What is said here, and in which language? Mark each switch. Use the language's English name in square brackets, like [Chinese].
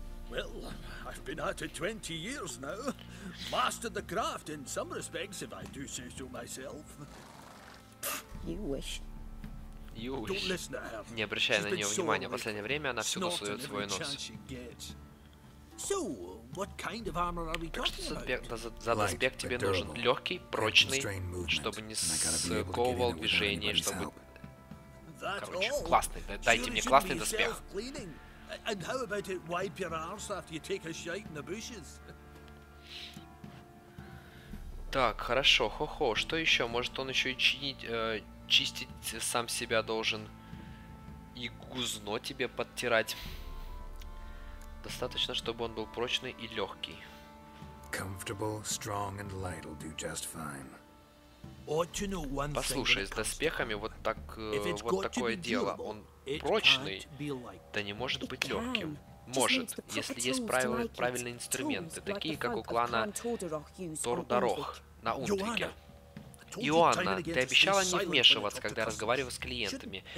[English] Well, I've been at it 20 years now. Mastered the craft in some respects, if I do say so myself. You wish. Don't listen to her. [Russian] Не обращай на нее внимания. Последнее время она всюду сует свой нос. [English] So, what kind of armor are we talking about? [Russian] Так что за доспех тебе нужен легкий, прочный, чтобы не сковывал движение, чтобы... Короче, классный. Дайте мне классный доспех. [English] And how about it wipe your arse after you take a shite in the bushes? [Russian] Так, хорошо, хо-хо, что еще? Может он еще и чистить сам себя должен. И гузно тебе подтирать. Достаточно, чтобы он был прочный и легкий. [English] Comfortable, strong and light will do just fine. [Russian] Послушай, с доспехами вот так вот такое дело. Он прочный, да не может быть легким. Может, если есть правильные инструменты, такие как у клана Тордорох на Ундрике. Иоанна, ты обещала не вмешиваться, когда разговариваю с клиентами.